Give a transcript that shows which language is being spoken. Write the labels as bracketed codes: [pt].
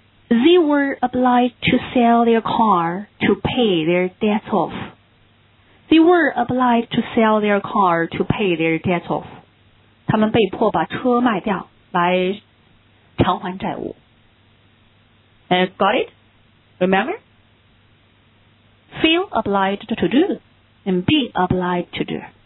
[en] They were obliged to sell their car to pay their debts off. They were obliged to sell their car to pay their debts off. [zh] 他们被迫把车卖掉来偿还债务。 [en] Got it? Remember? Feel obliged to do and be obliged to do.